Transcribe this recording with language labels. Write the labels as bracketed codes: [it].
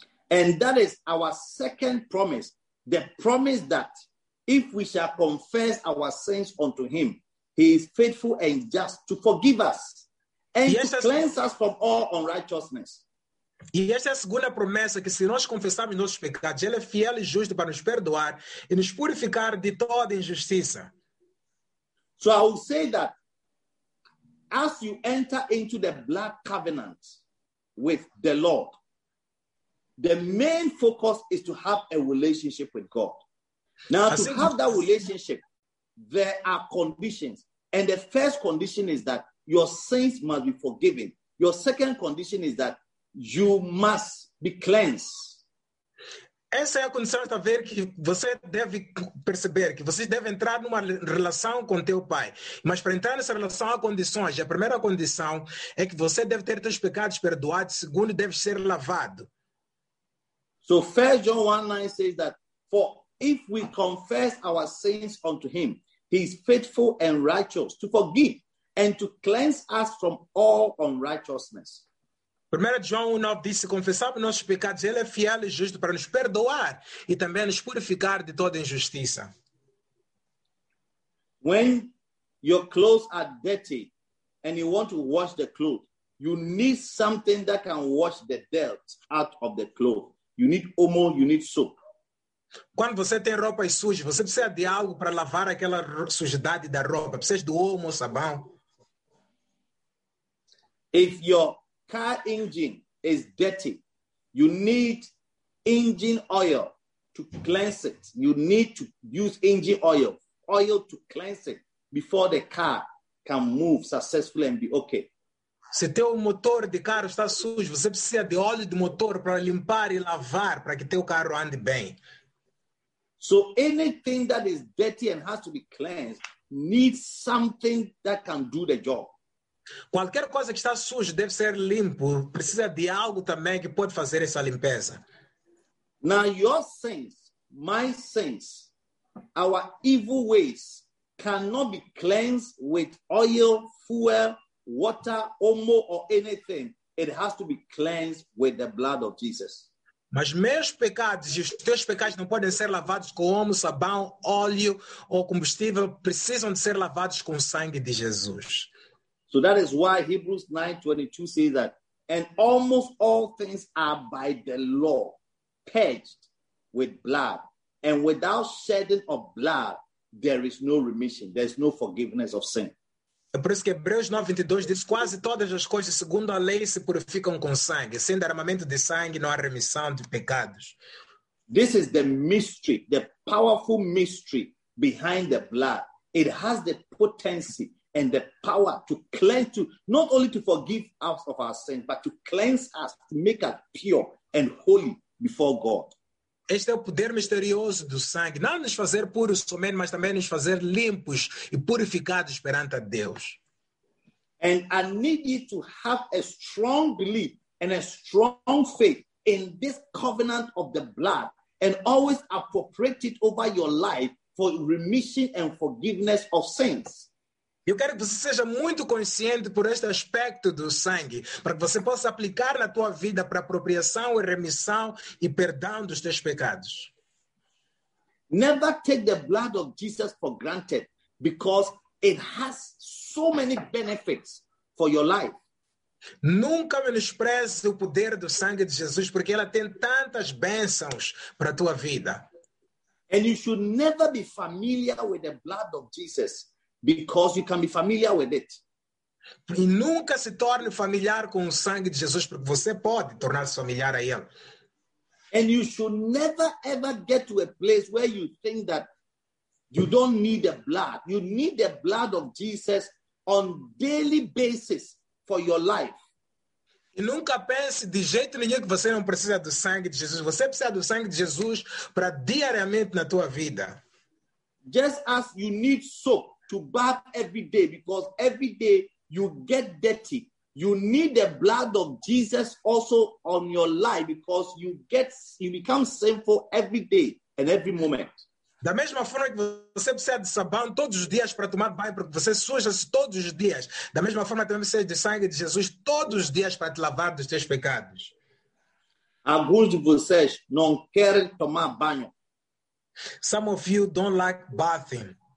[en] And that is our second promise. The promise that if we shall confess our sins unto him, he is faithful and just to forgive us and to cleanse us from all unrighteousness. [pt] E esta é a segunda promessa, que se nós confessarmos nossos pecados, Ele é fiel e justo para nos perdoar e nos purificar de toda injustiça. [en] So I will say that as you enter into the blood covenant with the Lord, the main focus is to have a relationship with God. Now, to have that relationship, there are conditions. And the first condition is that your sins must be forgiven. Your second condition is that you must be cleansed. [pt] Essa é a condição de ver que você deve perceber que você deve entrar numa relação com teu pai. Mas para entrar nessa relação há condições. A primeira condição é que você deve ter teus pecados perdoados. Segundo, deve ser lavado. [en] So 1 John 1:9 says that for if we confess our sins unto him, he is faithful and righteous to forgive and to cleanse us from all unrighteousness. [pt] 1 João 1:9 diz, se confessarmos nossos pecados, Ele é fiel e justo para nos perdoar e também nos purificar de toda injustiça. [en] When your clothes are dirty and you want to wash the clothes, you need something that can wash the dirt out of the clothes. You need omo, you need soap. [pt] Quando você tem roupas sujas, você precisa de algo para lavar aquela sujidade da roupa. Precisa do omo, sabão. [en] If your car engine is dirty, you need engine oil to cleanse it. You need to use engine oil to cleanse it before the car can move successfully and be okay. [pt] Se teu motor de carro está sujo, você precisa de óleo de motor para limpar e lavar para que teu carro ande bem. [en] So anything that is dirty and has to be cleansed needs something that can do the job. [pt] Qualquer coisa que está suja deve ser limpo. Precisa de algo também que pode fazer essa limpeza. [en] Now your sins, my sins, our evil ways cannot be cleansed with oil, fuel, water, omo or anything. It has to be cleansed with the blood of Jesus. [pt] Mas meus pecados e os teus pecados não podem ser lavados com omo, sabão, óleo ou combustível. Precisam de ser lavados com o sangue de Jesus. [en] So that is why Hebrews 9:22 says that, and almost all things are by the law purged with blood, and without shedding of blood, there is no remission, there is no forgiveness of sin. [pt] É por isso que Hebreus 9:22 diz, quase todas as coisas segundo a lei se purificam com sangue, sem derramamento de sangue não há remissão de pecados. [en] This is the mystery, the powerful mystery behind the blood. It has the potency and the power to cleanse, to not only to forgive us of our sins, but to cleanse us, to make us pure and holy before God. [pt] Este é o poder misterioso do sangue, não nos fazer puros somente, mas também nos fazer limpos e purificados perante a Deus. [en] And I need you to have a strong belief and a strong faith in this covenant of the blood and always appropriate it over your life for remission and forgiveness of sins. [pt] Eu quero que você seja muito consciente por este aspecto do sangue, para que você possa aplicar na tua vida para apropriação e remissão e perdão dos teus pecados. [en] Never take the blood of Jesus for granted, because it has so many benefits for your life. [pt] Nunca menospreze o poder do sangue de Jesus, porque ela tem tantas bênçãos para a tua vida. [en] And you should never be familiar with the blood of Jesus, because you can be familiar with it. [pt] E nunca se torne familiar com o sangue de Jesus, porque você pode tornar-se familiar a ele. [en] And you should never ever get to a place where you think that you don't need the blood. You need the blood of Jesus on daily basis for your life. [pt] E nunca pense de jeito nenhum que você não precisa do sangue de Jesus. Você precisa do sangue de Jesus para diariamente na tua vida. [en] Just as you need soap to bathe every day, because every day you get dirty, you need the blood of Jesus also on your life, because you become sinful every day and every moment. [pt] Da mesma forma que você precisa de sabão todos os dias para tomar banho, porque você suja-se todos os dias. Da mesma forma também precisa de sangue de Jesus todos os dias para te lavar dos teus pecados. Alguns de vocês não querem tomar banho. [en] Some of you don't like bathing.